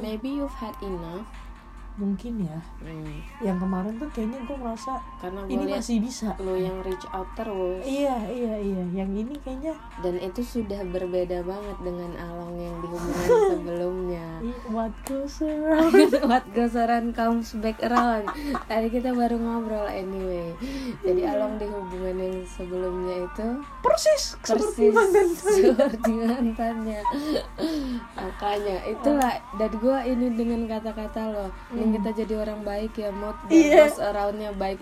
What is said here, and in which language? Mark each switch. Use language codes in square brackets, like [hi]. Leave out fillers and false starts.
[en] Maybe you've had enough. [id] Mungkin ya. Yang kemarin tuh kayaknya gue merasa. Karena gua ini masih bisa. Lu yang [en] reach out [id] terus. Iya. Yang ini kayaknya. Dan itu sudah berbeda banget dengan Along yang dihubungin sebelumnya. [en] What goes around? What goes around comes back around. [id] Tadi kita baru ngobrol anyway. Jadi Along di hubungan yang sebelumnya itu persis seperti mantannya. Makanya itulah. Dan gue ini dengan kata-kata lo, yang kita jadi orang baik ya, mood dan [en] goes around- [id] nya baik.